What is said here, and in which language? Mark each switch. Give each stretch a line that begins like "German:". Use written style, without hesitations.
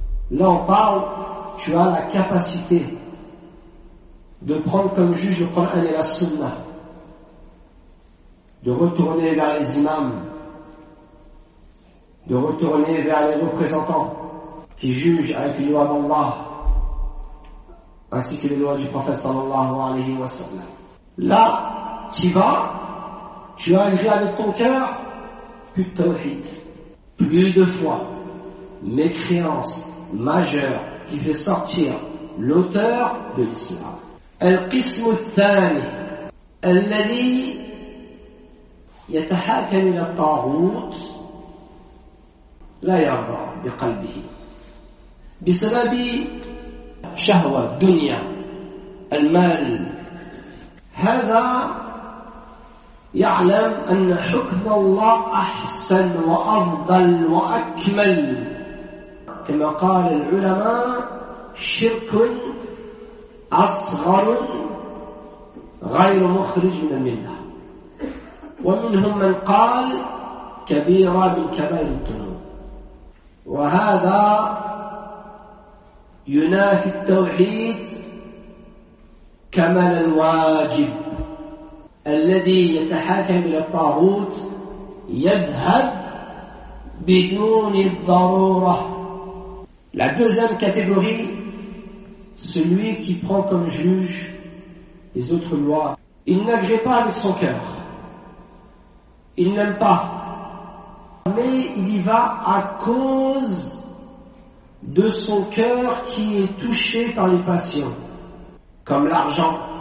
French: Là on parle, tu as la capacité de prendre comme juge le Coran et la Sunna, de retourner vers les imams, de retourner vers les représentants qui jugent avec les lois d'Allah ainsi que les lois du prophète sallallahu alayhi wa sallam. Là, tu y vas, tu as agréé avec ton cœur, plus de tawhid, plus de foi, mécréance majeure qui fait sortir l'auteur de l'islam.
Arabic: القسم الثاني الذي يتحاكم إلى الطاغوت لا يرضى بقلبه بسبب شهوة الدنيا المال هذا يعلم أن حكم الله أحسن وأفضل وأكمل كما قال العلماء شرك أصغر غير مخرج من الملة ومنهم من قال كبيرة من كبائر الذنوب وهذا ينافي التوحيد كمال الواجب الذي يتحاكم إلى الطاغوت يذهب بدون الضرورة.
French: La deuxième catégorie, celui qui prend comme juge les autres lois, il n'agrée pas avec son cœur, il n'aime pas, mais il y va à cause de son cœur qui est touché par les passions, comme l'argent.